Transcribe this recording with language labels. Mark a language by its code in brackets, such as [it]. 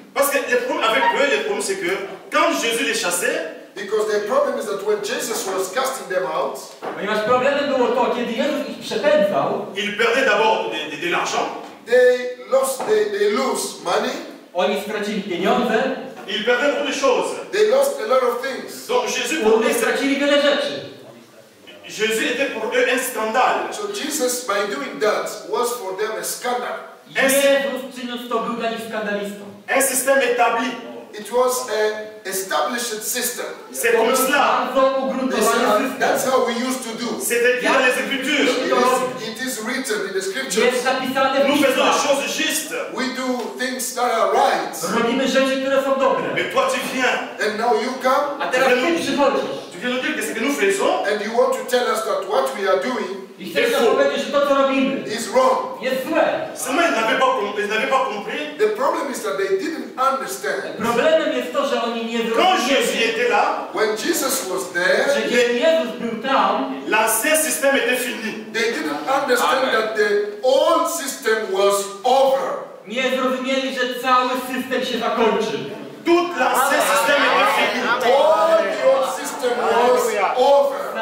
[fr] Parce que le problème, c'est que quand Jésus les chassait. [en] Because the problem is that when Jesus was casting them out, [pl] ponieważ problemem było to, kiedy Jezus ich przepędzał, [fr] il perdait d'abord de l'argent, [en] they lose money, [pl] oni stracili pieniądze, [fr] il perdait beaucoup de choses, [en] they lost a lot of things, [fr] donc Jésus [pl] oni stracili wiele rzeczy. [fr] Jésus était pour eux un scandale. [en] So Jesus, by doing that, was for them a scandal. [pl] Jezus czyniąc to, był dla nich skandalistą. [fr] Un système établi. [en] It was an established system. [fr] C'est comme cela. [en] That's how we used to do. [fr] C'est écrit dans les Écritures. [en] It is written in the Scriptures. [fr] Nous faisons les choses justes. [en] We do things that are right. [pl] Robimy rzeczy, które są dobre. [fr] Mais toi tu viens. [en] And now you come. [pl] A teraz ty przychodzisz. [fr] Tu viens nous dire que ce que nous faisons. [en] And you want to tell us that what we are doing is wrong. [pl] Jest złe. [fr] Samuel n'avait pas compris. ils n'avaient pas compris. [en] The problem is that they didn't understand. [pl] Problemem jest to, że oni nie zrozumieli. [en] When Jesus was there, [pl] że kiedy Jezus był tam, [fr] l'ancien système était fini. [en] They didn't understand that the old system was over. [pl] Nie zrozumieli, że cały system się zakończył. [fr] Tout l'ancien système était fini. [en] All the old system was over.